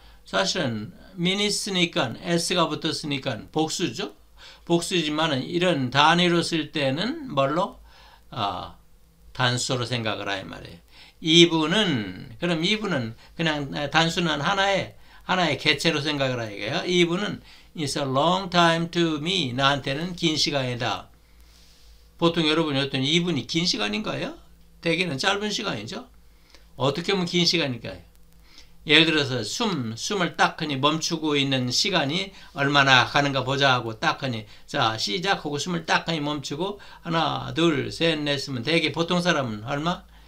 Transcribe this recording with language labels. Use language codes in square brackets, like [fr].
[ko] 사실은 minutes니까 s가 붙었으니까 복수죠. 복수지만은 이런 단위로 쓸 때는 뭘로? 단수로 생각을 하이 말이에요. 2분은 그럼 2분은 그냥 단수는 하나의 개체로 생각을 하니까요. 2분은 [en] It's a long time to me. [ko] 나한테는 긴 시간이다. 보통 여러분이 어떤 2분이 긴 시간인가요? 대개는 짧은 시간이죠. 어떻게 보면 긴 시간일까요? 예를 들어서 숨을 딱 하니 멈추고 있는 시간이 얼마나 가는가 보자 하고 딱 하니 자 시작하고 숨을 딱 하니 멈추고 하나 둘 셋 넷 하면 대개 보통 사람은 얼마?